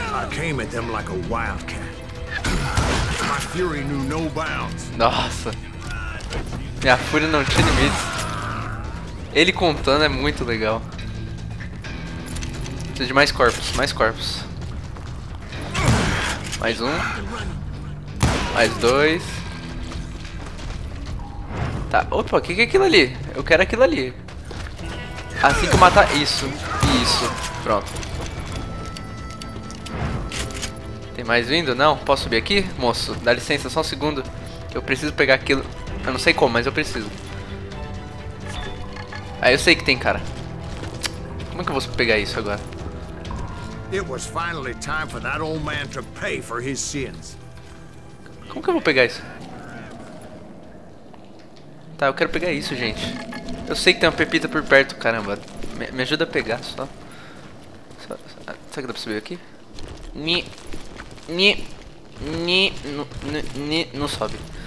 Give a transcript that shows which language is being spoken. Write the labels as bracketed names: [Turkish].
[English] I came at them like a wildcat. My fury knew no bounds. Nossa. [Portuguese] Minha fúria não tinha limites. Ele contando é muito legal. Preciso de mais corpos. Mais um. Mais dois. Tá, opa, o que é aquilo ali? Eu quero aquilo ali. Assim que eu matar isso. Pronto. Tem mais vindo? Não? Posso subir aqui, moço? Dá licença, só um segundo. Eu preciso pegar aquilo. Eu não sei como, mas eu preciso. Ah, eu sei que tem, cara. Como é que eu vou pegar isso agora? [English] It was finally time for that old man to pay for his sins. [Portuguese] Como que eu vou pegar isso? Tá, eu quero pegar isso, gente. Eu sei que tem uma pepita por perto, caramba. Me ajuda a pegar, só. Será que dá pra subir aqui? Não sobe.